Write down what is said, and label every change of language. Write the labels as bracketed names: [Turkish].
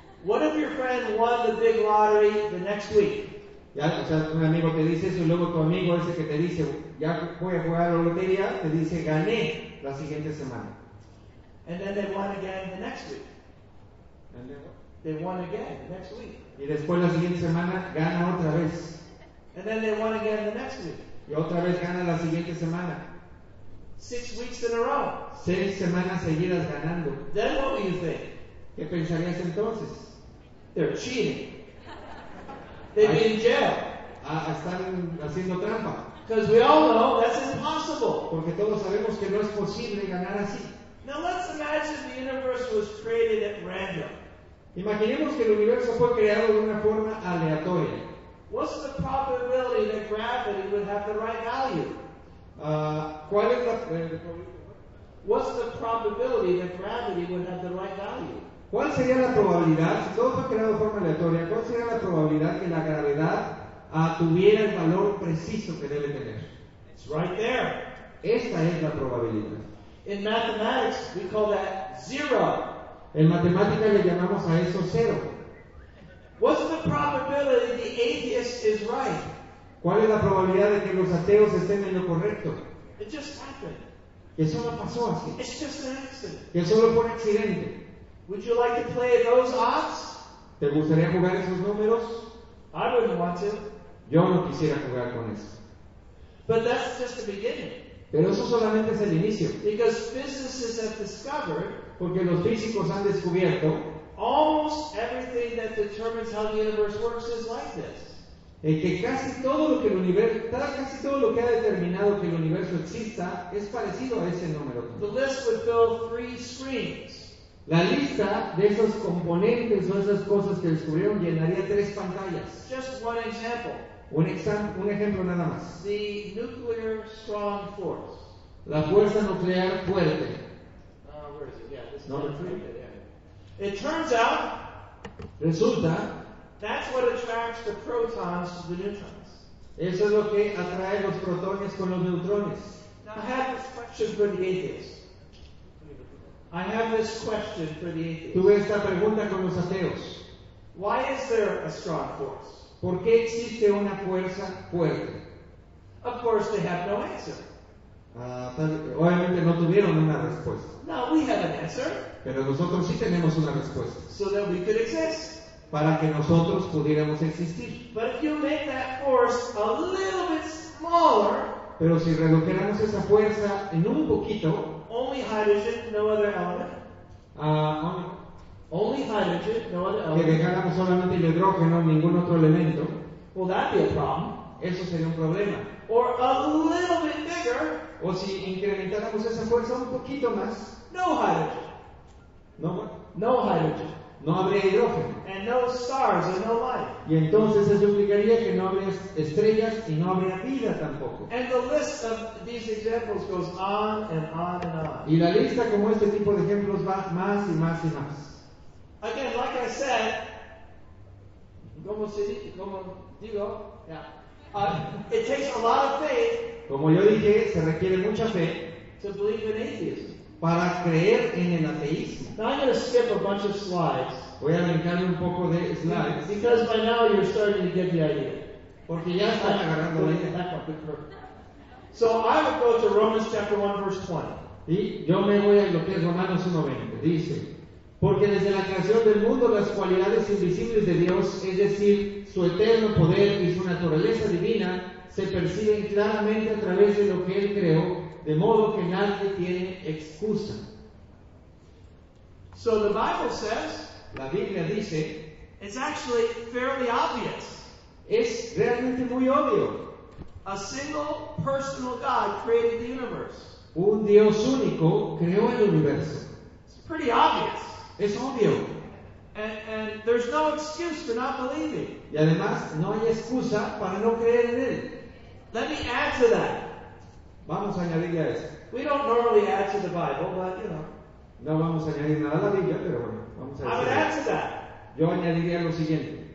[English] What if your friend won the big lottery the next week? [Spanish] Ya, o sea, un amigo que dice eso y luego tu amigo ese que te dice ya voy a jugar a la lotería, te dice gané la siguiente semana. [English] And then they won again the next week. And then what? They won again the next week. [Spanish] Y después la siguiente semana gana otra vez. [English] And then they won again the next week. [Spanish] Y otra vez gana la siguiente semana. [English] 6 weeks in a row. [Spanish] 6 semanas seguidas ganando. [English] Then what do you think? [Spanish] ¿Qué pensarías entonces? [English] They're cheating. They'd be in jail. [Spanish] Están haciendo trampa. [English] Because we all know that's impossible. [Spanish] Porque todos sabemos que no es posible ganar así. [English] Now let's imagine the universe was created at random. [Spanish] Imaginemos que el universo fue creado de una forma aleatoria. [English] What's the probability that gravity would have the right value? [Spanish] ¿Cuál es la, [English] what's the probability that gravity would have the right value? [Spanish] ¿Cuál sería la probabilidad, si todo fue creado de forma aleatoria, cuál sería la probabilidad que la gravedad tuviera el valor preciso que debe tener? [English] It's right there. [Spanish] Esta es la probabilidad. [English] In mathematics, we call that zero. [Spanish] En matemáticas le llamamos a eso cero. [English] What's the probability the atheist is right? [Spanish] ¿Cuál es la probabilidad de que los ateos estén en lo correcto? [English] It just happened. [Spanish] Que solo pasó así. [English] It's just an accident. [Spanish] Que solo fue un accidente. [English] Would you like to play those odds? [Spanish] ¿Te gustaría jugar esos números? [English] I wouldn't want to. [Spanish] Yo no quisiera jugar con eso. [English] But that's just the beginning. [Spanish] Pero eso solamente es el inicio. [English] Because physicists have discovered, [Spanish] porque los físicos han descubierto, [English] almost everything that determines how the universe works is like this. [Spanish] Que casi todo lo que el universo, casi todo lo que ha determinado que el universo exista es parecido a ese número. [English] The list would fill 3 screens. [Spanish] La lista de esos componentes o esas cosas que descubrieron llenaría 3 pantallas. [English] Just one example. [Spanish] Un ejemplo nada más. [English] The nuclear strong force. [Spanish] La fuerza nuclear fuerte. [English] Where is it? Yeah, this is it. It turns out. [Spanish] Resulta. [English] That's what attracts the protons to the neutrons. [Spanish] Eso es lo que atrae los protones con los neutrones. [English] Now I have this question for the atheists. I have this question for the atheists. [Spanish] Tuve esta pregunta con los ateos. [English] Why is there a strong force? [Spanish] ¿Por qué existe una fuerza fuerte? [English] Of course they have no answer. [Spanish] Obviamente no tuvieron una respuesta. [English] No, we have an answer. [Spanish] Pero nosotros sí tenemos una respuesta. [English] So that we could exist. [Spanish] Para que nosotros pudiéramos existir. [English] But if you make that force a little bit smaller, [Spanish] pero si redujéramos esa fuerza en un poquito, [English] only hydrogen, no other element. Only hydrogen, no other element. [Spanish] Que dejáramos solamente el hidrógeno, ningún otro elemento. [English] Well, that'd be a problem. [Spanish] Eso sería un problema. [English] Or a little bit bigger. [Spanish] O si incrementáramos esa fuerza un poquito más. [English] No hydrogen. [Spanish] No. [English] No hydrogen. [Spanish] No habría hidrógeno. [English] And no stars and no life. [Spanish] Y entonces eso implicaría que no habría estrellas y no habría vida tampoco. [English] And the list of these examples goes on and on and on. [Spanish] Y la lista como este tipo de ejemplos va más y más y más. [English] Again, like I said, [Spanish] como digo, [English] yeah, it takes a lot of faith. [Spanish] Como yo dije, se requiere mucha fe. [English] To believe in atheism. [Spanish] Para creer en el ateísmo. [English] Now I'm going to skip a bunch of slides. [Spanish] Voy a brincar un poco de slides. [English] Because by now you're starting to get the idea. [Spanish] Porque ya están agarrando la idea. [English] So I would go to Romans chapter 1 verse 20. [Spanish] Y yo me voy a lo que es Romanos 1:20. Dice, porque desde la creación del mundo las cualidades invisibles de Dios, es decir, su eterno poder y su naturaleza divina, se perciben claramente a través de lo que Él creó, de modo que nadie tiene excusa. [English] So the Bible says, [Spanish] la Biblia dice, [English] it's actually fairly obvious. [Spanish] Es realmente muy obvio. [English] A single personal God created the universe. [Spanish] Un Dios único creó el universo. [English] It's pretty obvious. [Spanish] Es obvio. [English] And there's no excuse for not believing. [Spanish] Y además no hay excusa para no creer en él. [English] Let me add to that. [Spanish] Vamos a añadirle a eso. [English] We don't normally add to the Bible, but you know. [Spanish] No vamos a añadir nada a la Biblia, pero bueno, vamos a [English] I would add to that. [Spanish] Yo añadiría lo siguiente.